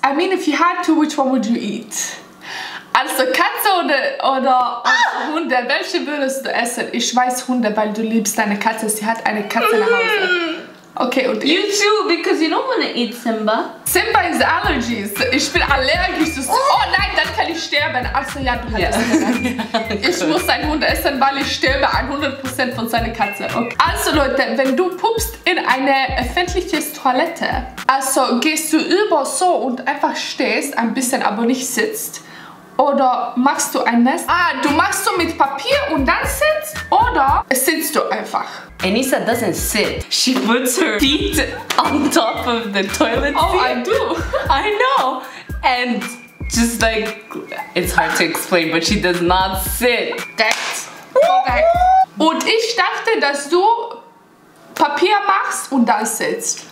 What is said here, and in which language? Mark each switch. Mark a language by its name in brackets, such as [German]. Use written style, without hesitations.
[English] I mean, if you had to, which one would you eat? [German] Also Katze oder Hunde, welche würdest du essen? Ich weiß Hunde, weil du liebst deine Katze. Sie hat eine Katze nach Hause. Okay, und [English] you [German] ich? [English] Too, because you don't want to eat Simba. Simba is allergies. [German] Ich bin allergisch. Oh nein, dann kann ich sterben. Also ja, du hattest yeah. Ich muss einen Hund essen, weil ich sterbe 100% von seiner Katze. Okay. Also Leute, wenn du pupst in eine öffentliche Toilette, also gehst du über so und einfach stehst ein bisschen, aber nicht sitzt, oder machst du ein Nest? Ah, du machst so mit Papier und dann sitzt, oder sitzt du einfach? [English] Anissa doesn't sit. She puts her feet on top of the toilet seat. Oh, I do. I know. And just like, it's hard to explain, but she does not sit. Correct. Okay. [German] Und ich dachte, dass du Papier machst und dann sitzt.